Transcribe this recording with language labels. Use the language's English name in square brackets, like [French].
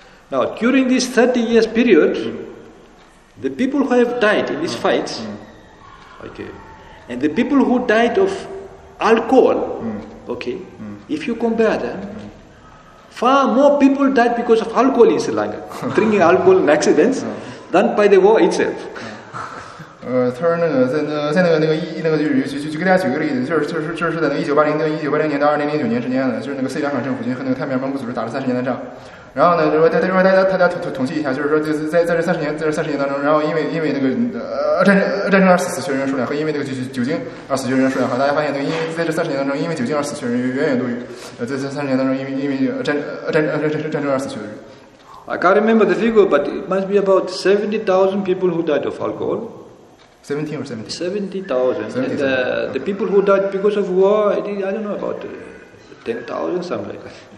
[English] Now, during this 30 years period, the people who have died in these fights, okay, and the people who died of alcohol, okay, if you compare them, far more people died because of alcohol in Sri Lanka, drinking alcohol and accidents, than by the war itself. [Chinese] 他说就给大家举个例子，就是在那个1980年到2009年之间呢，就是那个斯里兰卡政府军和那个泰缅蒙古组织打了30年的仗。然后呢，就说大家统计一下，就是说在这三十年当中，然后因为那个战争而死去的人数量，和因为那个酒精而死去的人数量，大家发现那个在这三十年当中，因为酒精而死去的人远远多于在这三十年当中因为战争而死去的人。 [English] I can't remember the figure, but it must be about 70,000 people who died of alcohol. 70,000. And the people who died because of war, I don't know about 10,000 something like that.